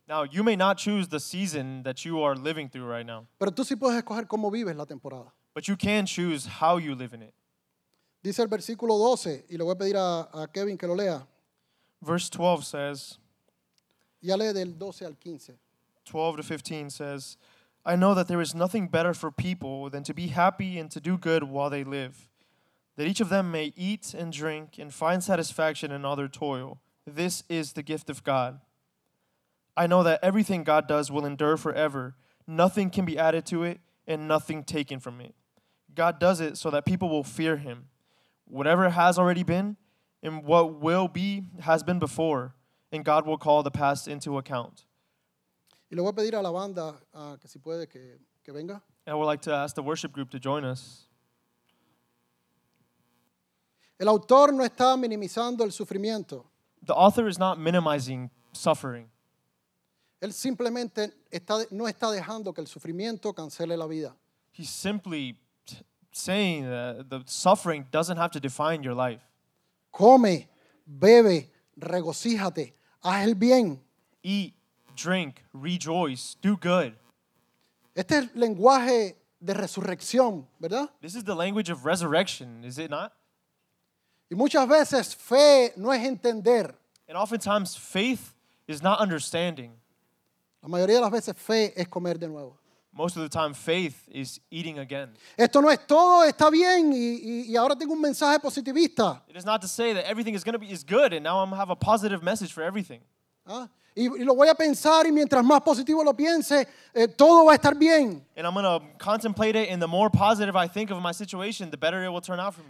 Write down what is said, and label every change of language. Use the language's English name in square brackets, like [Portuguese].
[English] Now, you may not choose the season that you are living through right now. [Spanish] Pero tú sí puedes escoger cómo vives la temporada. [English] But you can choose how you live in it. [Spanish] Dice el versículo 12, y le voy a pedir a Kevin que lo lea. [English] Verse 12 says... [Spanish] Ya lee del 12 al 15. [English] 12 to 15 says, I know that there is nothing better for people than to be happy and to do good while they live, that each of them may eat and drink and find satisfaction in all their toil. This is the gift of God. I know that everything God does will endure forever. Nothing can be added to it and nothing taken from it. God does it so that people will fear him. Whatever has already been and what will be has been before. And God will call the past into account. [Spanish] Y le voy a pedir a la banda que si puede que venga. [English] And I would like to ask the worship group to join us. [Spanish] El autor no está minimizando el sufrimiento. [English] The author is not minimizing suffering. [Spanish] Él simplemente no está dejando que el sufrimiento cancele la vida. [English] He's simply saying that the suffering doesn't have to define your life. [Spanish] Come, bebe, regocíjate. Haz el bien. [English] Eat, drink, rejoice, do good. [Spanish] Este es lenguaje de resurrección, ¿verdad? [English] This is the language of resurrection, is it not? [Spanish] Y muchas veces fe no es entender. [English] And oftentimes faith is not understanding. [Spanish] La mayoría de las veces fe es comer de nuevo. [English] Most of the time faith is eating again. [Spanish] Esto no es todo, está bien y ahora tengo un mensaje positivista. [English] It is not to say that everything is going to be is good and now I'm have a positive message for everything. [Spanish] Y lo voy a pensar y mientras más positivo lo piense, todo va a estar bien. [English] And I'm going to contemplate it and the more positive I think of my situation, the better it will turn out for me.